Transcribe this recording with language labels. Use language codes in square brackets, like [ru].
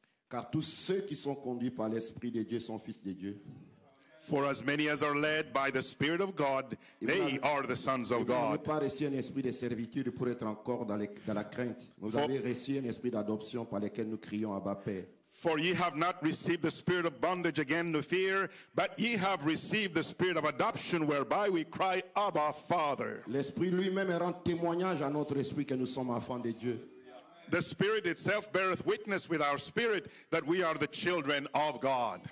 [fr] Car tous ceux qui sont conduits par l'Esprit de Dieu sont fils de Dieu. [en] For as many as are led by the Spirit of God, they are the sons of God. [fr] Vous n'avez pas reçu un esprit de servitude pour être encore dans la crainte. Vous avez reçu un esprit d'adoption par lequel nous crions Abba Père. [en] For ye have not received the spirit of bondage again to fear, but ye have received the spirit of adoption whereby we cry Abba Father. [fr] L'Esprit lui-même rend témoignage à notre esprit que nous sommes enfants de Dieu. [en] The Spirit itself beareth witness with our spirit that we are the children of God.